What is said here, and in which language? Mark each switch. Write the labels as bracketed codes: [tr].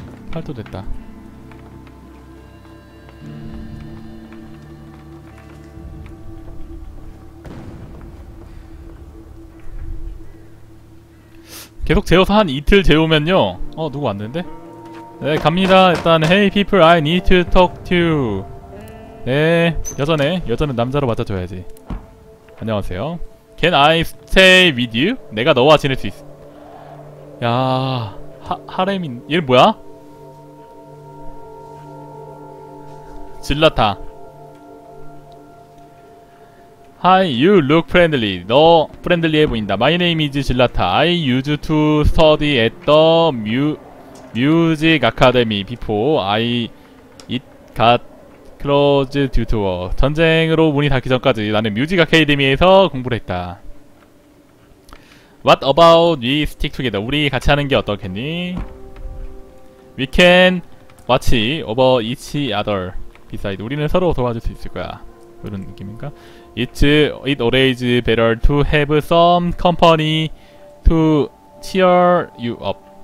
[ko] 8도 됐다. 계속 재워서 한 이틀 재우면요. 어 누구 왔는데? 네 갑니다. [en] 일단 Hey people, I need to talk to you. [ko] 네 여자네. 여자는 남자로 맞아줘야지. 안녕하세요. [en] Can I stay with you? [ko] 내가 너와 지낼 수 있어. 야 하렘인 얘는 뭐야? 질라타. [en] Hi, you look friendly. [ko] 너 friendly해 보인다. [en] My name is 질라타. I used to study at the music academy before I it got closed due to war. [ko] 전쟁으로 문이 닫기 전까지 나는 뮤직 아카데미에서 공부를 했다. [en] What about we stick together? [ko] 우리 같이 하는 게 어떻겠니? [en] We can watch over each other. [ko] Besides, 우리는 서로 도와줄 수 있을 거야. 이런 느낌인가? [en] It always better to have some company to cheer you up.